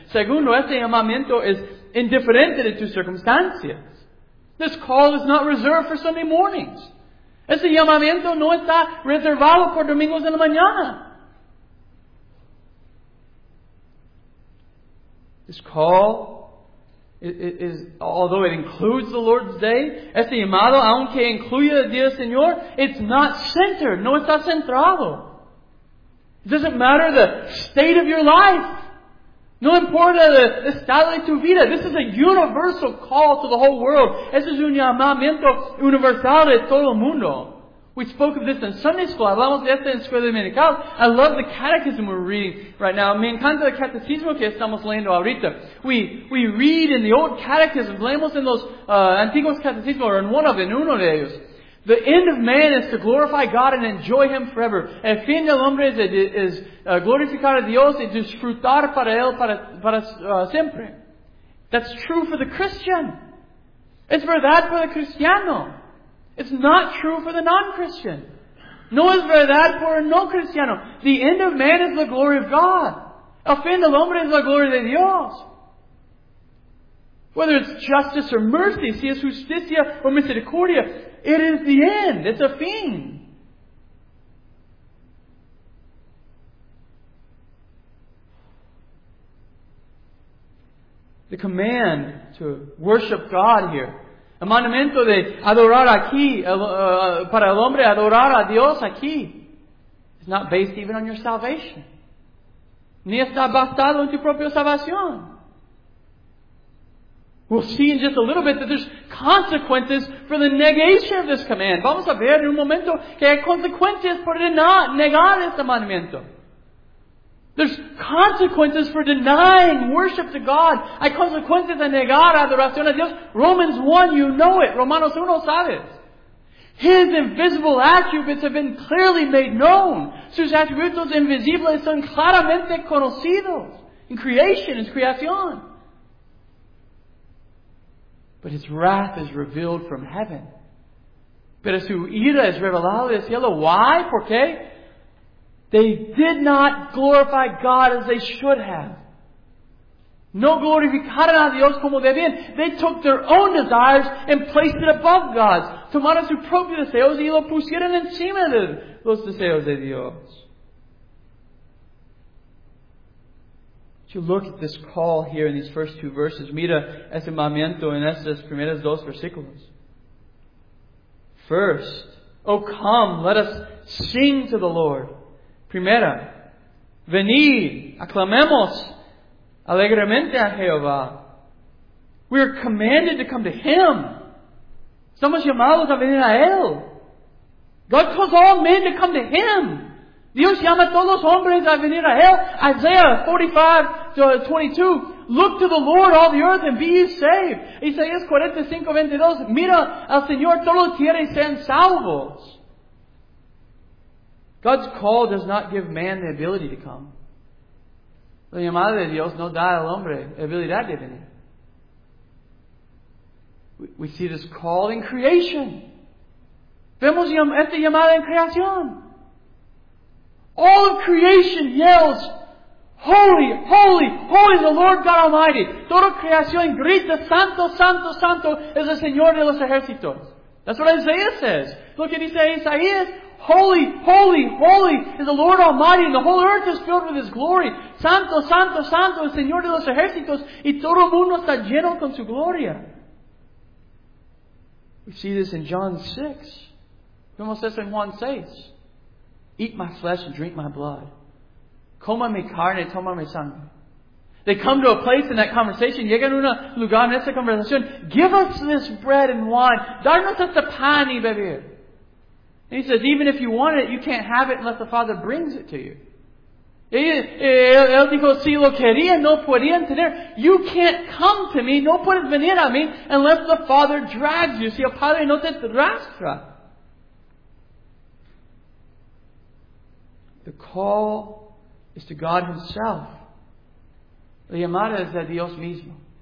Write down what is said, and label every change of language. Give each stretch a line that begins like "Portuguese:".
Spanish: Segundo, este llamamiento es indiferente de tus circunstancias.
English: This call is not reserved for Sunday mornings.
Spanish: Este llamamiento no está reservado por domingos en la mañana.
English: This call is, although it includes the Lord's Day,
Spanish: este llamado, aunque incluya el Día Señor,
English: it's not centered,
Spanish: no está centrado.
English: It doesn't matter the state of your life.
Spanish: No importa el estado de tu vida.
English: This is a universal call to the whole world.
Spanish: Este es un llamamiento universal de todo el mundo.
English: We spoke of this in Sunday school.
Spanish: Hablamos de esto en Escuela Dominical.
English: I love the catechism we're reading right now.
Spanish: Me encanta el catecismo que estamos leyendo ahorita.
English: We read in the old catechism,
Spanish: leemos en los antiguos catecismos,
English: or in one of them,
Spanish: uno de ellos.
English: The end of man is to glorify God and enjoy Him forever.
Spanish: El fin del hombre es glorificar a Dios y disfrutar para Él para siempre.
English: That's true for the Christian. It's verdad for the cristiano. It's not true for the non-Christian.
Spanish: No es verdad por el no cristiano.
English: The end of man is the glory of God.
Spanish: El fin del hombre es la gloria de Dios.
English: Whether it's justice or mercy,
Spanish: si es justicia o misericordia,
English: it is the end. It's a fin. The command to worship God here.
Spanish: El mandamiento de adorar aquí, para el hombre adorar a Dios aquí,
English: is not based even on your salvation.
Spanish: Ni está basado en tu propia salvación.
English: We'll see in just a little bit that there's consequences for the negation of this command.
Spanish: Vamos a ver en un momento que hay consecuencias por negar este mandamiento.
English: There's consequences for denying worship to God.
Spanish: Hay consecuencias de negar adoración a Dios.
English: Romans 1, you know it.
Spanish: Romanos 1, sabes.
English: His invisible attributes have been clearly made known.
Spanish: Sus atributos invisibles son claramente conocidos.
English: In creation, in creación. But His wrath is revealed from heaven.
Spanish: Pero su ira es revelada del cielo.
English: Why?
Spanish: ¿Por qué?
English: They did not glorify God as they should have.
Spanish: No glorificaron a Dios como debían.
English: They took their own desires and placed it above God's.
Spanish: Tomaron sus propios deseos y lo pusieron encima de los deseos de Dios.
English: If you look at this call here in these first two verses,
Spanish: mira ese mandamiento en estas primeras dos versículos.
English: First, oh come, let us sing to the Lord.
Spanish: Primera, venid, aclamemos alegremente a Jehová.
English: We are commanded to come to Him.
Spanish: Somos llamados a venir a Él.
English: God calls all men to come to Him.
Spanish: Dios llama a todos los hombres a venir a Él.
English: Isaiah 45:22. Look to the Lord, all the earth, and be ye saved.
Spanish: Isaías 45:22. Mira al Señor, todos los tierras y sean salvos.
English: God's call does not give man the ability to come.
Spanish: La llamada de Dios no da al hombre habilidad de venir.
English: We see this call in creation.
Spanish: Vemos esta llamada en creación.
English: All of creation yells, holy, holy, holy is the Lord God Almighty.
Spanish: Toda creación grita, santo, santo, santo es el Señor de los ejércitos.
English: That's what Isaiah says. Look at Isaiah. Holy, holy, holy is the Lord Almighty, and the whole earth is filled with His glory.
Spanish: Santo, santo, santo es el Señor de los ejércitos, y todo el mundo está lleno con su gloria.
English: We see this in John 6.
Spanish: Vemos esto en Juan 6.
English: Eat my flesh and drink my blood.
Spanish: Coma mi carne y toma mi sangre.
English: They come to a place in that conversation.
Spanish: Llegan a un lugar en esa conversación.
English: Give us this bread and wine.
Spanish: Darnos este pan y beber.
English: And He says, even if you want it, you can't have it unless the Father brings it to you.
Spanish: Él dijo, si lo quería, no podían tener.
English: You can't come to me,
Spanish: no puedes venir a mí,
English: unless the Father drags you.
Spanish: Si el Padre no te arrastra.
English: The call is to God Himself.
Spanish: La llamada es a Dios mismo.